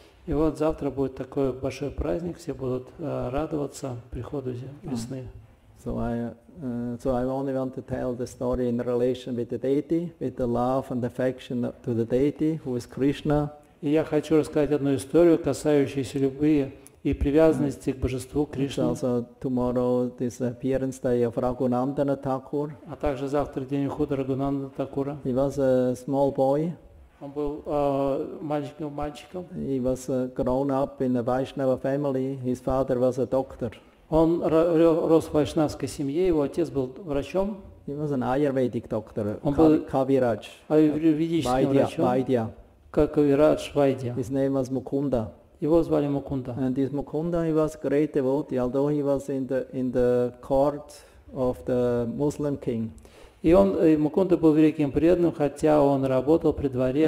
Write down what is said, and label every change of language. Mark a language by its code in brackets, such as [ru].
[ru] И вот завтра будет такой большой праздник, все будут радоваться приходу весны. [en] So I only want to tell the story in relation with the deity, with the love and affection to the deity, who is Krishna. [ru] И я хочу рассказать одну историю, касающуюся любви и привязанности к божеству Кришне. [en] Also tomorrow this appearance day of Raghunandana Thakur. [ru] А также завтра день ухода Рагунанда Такура. [en] He was a small boy. [ru] Он был мальчиком. [en] He was grown up in a Vaishnava family. His father was a doctor. [ru] Он рос в вайшнавской семье, его отец был врачом. [en] He was an Ayurvedic doctor, Kavirach. Vaidya. His name was Mukunda. [ru] Его звали Мукунда. [en] And this Mukunda, he was a great devotee, although he was in the court of the Muslim king. [ru] И он, и Мукунда был великим преданным, хотя он работал при дворе